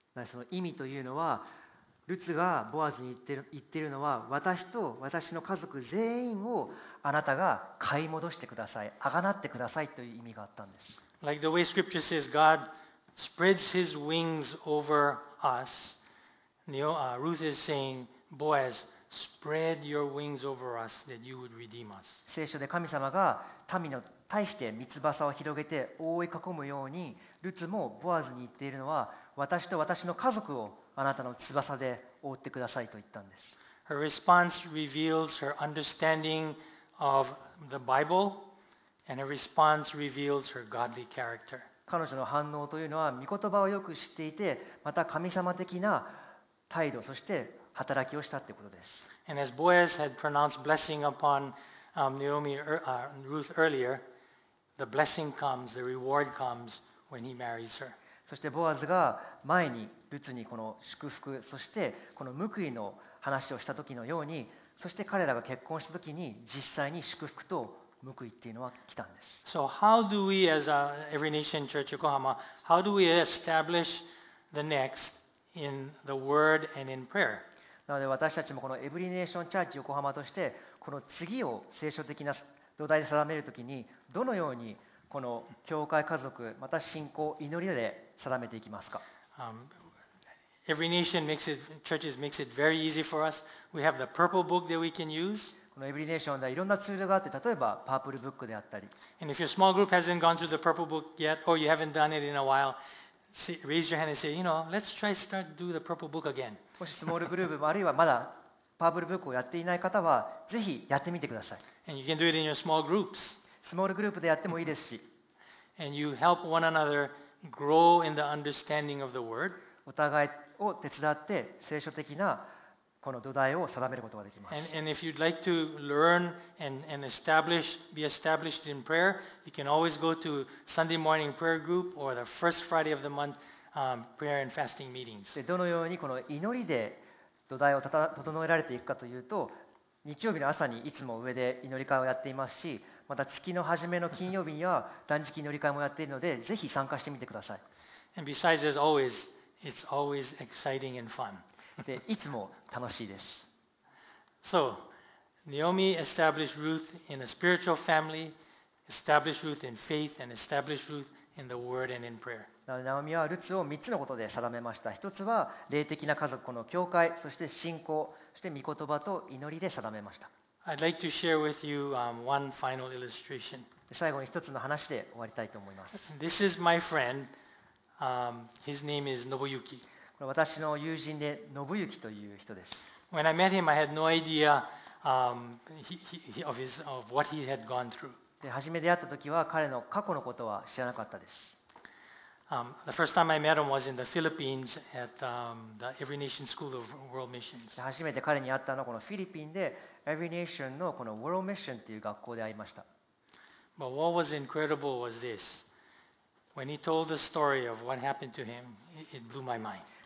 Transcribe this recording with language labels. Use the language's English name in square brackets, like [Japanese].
[Japanese] その意味というのは、ルツがボアズに言っているのは、私と私の家族全員をあなたが買い戻してください、贖ってくださいという意味があったんです。 [English] Like the way scripture says, God spreads his wings over us. Ruth is saying, Boaz, spread your wings over us that you would redeem us. [Japanese] 聖書で神様が民に対して三つ翼を広げて覆い囲むように、ルツもボアズに言っているのは、私と私の家族をあなたの翼で覆ってくださいと言ったんです。 [English] Her response reveals her understanding of the Bible. And her response reveals her godly character. [Japanese] 彼女の反応というのは、御言葉をよく知っていて、また神様的な態度、そして働きをしたということです。 [English] And as Boaz had pronounced blessing upon Naomi, Ruth earlier, the blessing comes, the reward comes when he marries her. [Japanese] そしてボアズが前にルツにこの祝福、そしてこの報いの話をした時のように、そして彼らが結婚した時に実際に祝福と報いっていうのは来たんです。 [English] So how do we as a Every Nation Church Yokohama, how do we establish the next in the word and in prayer? [Japanese] なので私たちもこのEvery Nation Church Yokohamaとしてこの次を聖書的な土台で定めるときにどのようにこの教会家族また信仰祈りで定めていきますか。 [English] Every Nation makes it, churches makes it very easy for us. We have the purple book that we can use. [Japanese] このエブリネーションではいろんなツールがあって、例えばパープルブックであったり。 [English] And if your small group hasn't gone through the purple book yet, or you haven't done it in a while, raise your hand and say, you know, let's try start do the purple book again. [Japanese] もしスモールグループもあるいはまだパープルブックをやっていない方は、ぜひやってみてください。 [English] And you can do it in your small groups. [Japanese] スモールグループでやってもいいですし。 [English] And you help one another grow in the understanding of the word. [Japanese] お互いを手伝って聖書的なこの土台を定めることができます。 [English] And if you'd like to learn and establish, be established in prayer, you can always go to Sunday morning prayer group or the first Friday of the month, prayer and fasting meetings. [Japanese] で、どのようにこの祈りで土台を整えられていくかというと、日曜日の朝にいつも上で祈り会をやっていますし、また月の初めの金曜日には断食祈り会もやっているので、ぜひ参加してみてください。 [English] And besides, as always, it's always exciting and fun. [Japanese] でいつも楽しいです。 [English] So, Naomi established Ruth in a spiritual family, established Ruth in faith, and established Ruth in the word and in prayer. [Japanese] Naomi はルツを三つのことで定めました。一つは霊的な家族、この教会、そして信仰、そして御言葉と祈りで定めました。 [English] I'd like to share with you one final illustration. [Japanese] 最後に一つの話で終わりたいと思います。 [English] This is my friend. His name is Nobuyuki. [Japanese] 私の友人で信行という人です。 [English] When I met him, I had no idea of what he had gone through. [Japanese] で、初め出会ったときは彼の過去のことは知らなかったです。 [English] The first time I met him was in the Philippines at the Every Nation School of World Missions. [Japanese] で、初めて彼に会ったのはこのフィリピンで Every Nation のこの World Mission という学校で会いました。 [English] But what was incredible was this. When he told the story of what happened to him, it blew my mind.